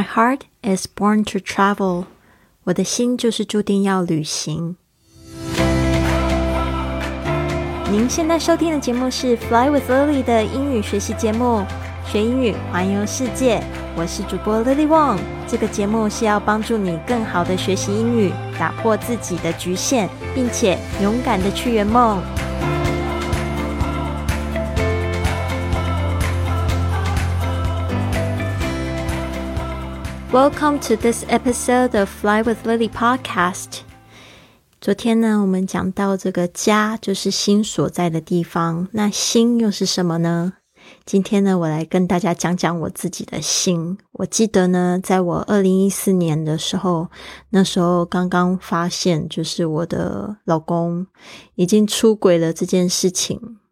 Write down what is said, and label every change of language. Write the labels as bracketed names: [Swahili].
[English] My heart is born to travel. [Chinese] 我的心就是注定要旅行。您现在收听的节目是 Fly with Lily 的英语学习节目，学英语环游世界。我是主播 Lily Wong。这个节目是要帮助你更好的学习英语，打破自己的局限，并且勇敢的去圆梦。 [English] Welcome to this episode of Fly with Lily podcast. [Chinese] 昨天呢，我们讲到这个家就是心所在的地方，那心又是什么呢？今天呢，我来跟大家讲讲我自己的心。我记得呢，在我2014年的时候，那时候刚刚发现就是我的老公已经出轨了这件事情。